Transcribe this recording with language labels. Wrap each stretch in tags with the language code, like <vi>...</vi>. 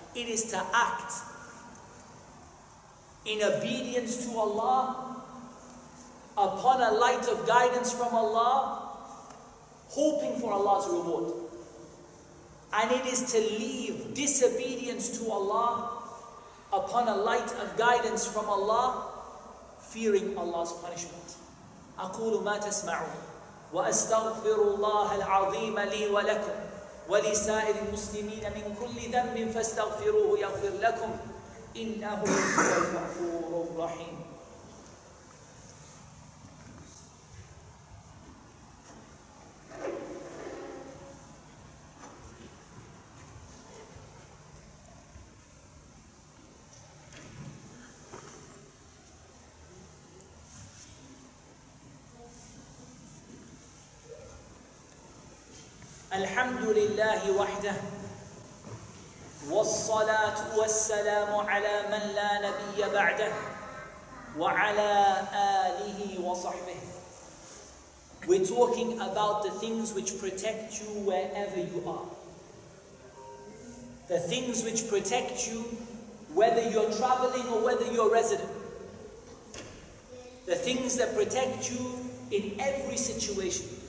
<en>It is to act in obedience to Allah upon a light of guidance from Allah, hoping for Allah's reward. And it is to leave disobedience to Allah upon a light of guidance from Allah, fearing Allah's punishment.</en> <ar>أقول ما تسمعون وأستغفر الله العظيم لي ولكم ولسائر المسلمين من كل ذنب فاستغفروه يغفر لكم إنه هو الغفور الرحيم. الحمد لله وحده والصلاة والسلام على من لا نبي بعده وعلى آله وصحبه.</ar> <en>We're talking about the things which protect you wherever you are. The things which protect you whether you're traveling or whether you're resident. The things that protect you in every situation.</en>